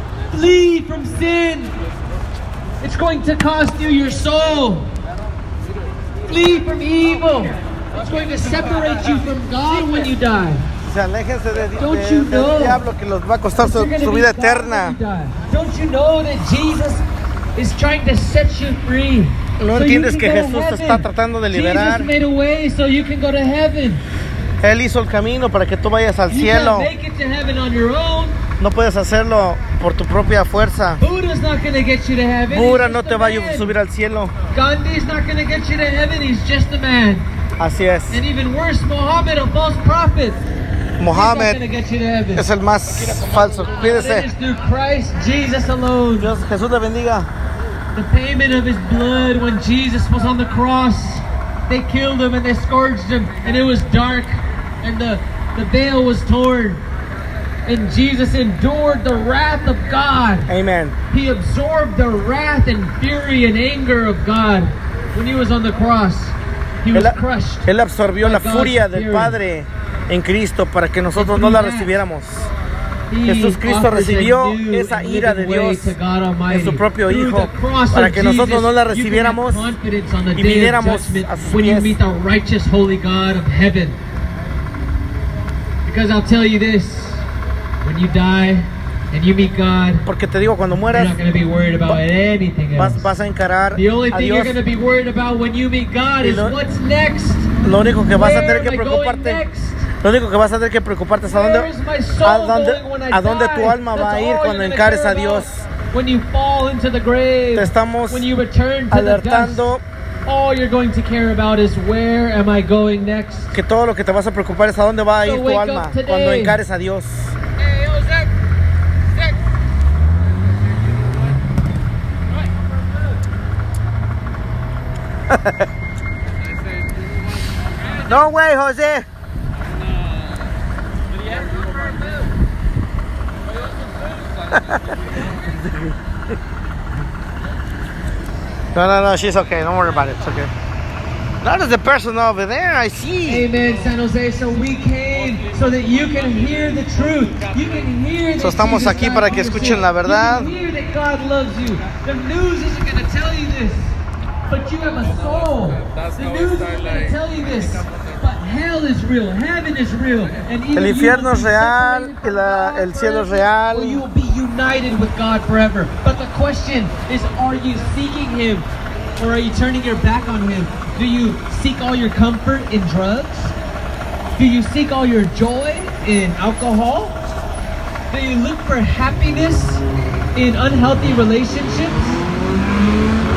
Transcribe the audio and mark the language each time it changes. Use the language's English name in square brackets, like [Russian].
[English] Flee from sin. It's going to cost you your soul. Flee from evil. It's going to separate you from God when you die. Don't you know [Spanish] que los va a costar su vida eterna? [English] Don't you know that Jesus is trying to set you free. [Spanish] No entiendes que Jesús te está tratando de liberar. [English] Jesus made a way so you can go to heaven. [Spanish] Él hizo el camino para que tú vayas al cielo. [English] You can't make it to heaven on your own. [Spanish] No puedes hacerlo por tu propia fuerza. [English] Buddha's not gonna get you to heaven. [Spanish] Buda no te va a subir al cielo. [English] Gandhi's not gonna get you to heaven. He's just a man. [Spanish] Así es. [English] And even worse, Muhammad, a false prophet. [Spanish] Muhammad es el más falso. Cuídese. Dios, Jesús te bendiga. [English] The payment of his blood when Jesus was on the cross. They killed him and they scourged him and it was dark and the veil was torn. And Jesus endured the wrath of God. Amen. He absorbed the wrath and fury and anger of God when he was on the cross. He was crushed. [Spanish] Él absorbió la furia del Padre en Cristo para que nosotros no la recibiéramos. Jesús Cristo recibió esa ira de Dios en su propio Hijo para que nosotros no la recibiéramos y viniéramos a sus pies. [English] When you meet the righteous, holy God of heaven. Because I'll tell you this, when you die and you meet God, [Spanish] porque te digo, cuando mueras, [English] you're not going to be worried about anything else. [Spanish] Vas a encarar a Dios. [English] The only thing you're going to be worried about when you meet God is what's next. [Spanish] Lo único que vas a tener que preocuparte. Lo único que vas a tener que preocuparte es a dónde tu alma va a ir cuando encares a Dios. Te estamos alertando que todo lo que te vas a preocupar es a dónde va a ir tu alma cuando encares a Dios. [English] No way, Jose. No, she's okay. Don't worry about it. It's okay. That is the person over there. I see. Amen, San Jose. So we came so that you can hear the truth. You can hear that. [Spanish] So estamos aquí para que escuchen la verdad. [English] You can hear that God loves you. The news isn't going to tell you this, but you have a soul. The news isn't going to tell you this. Hell is real, heaven is real, and [Spanish] el infierno es real, el cielo es real. [English] You will be united with God forever. But the question is, are you seeking him or are you turning your back on him? Do you seek all your comfort in drugs? Do you seek all your joy in alcohol? Do you look for happiness in unhealthy relationships?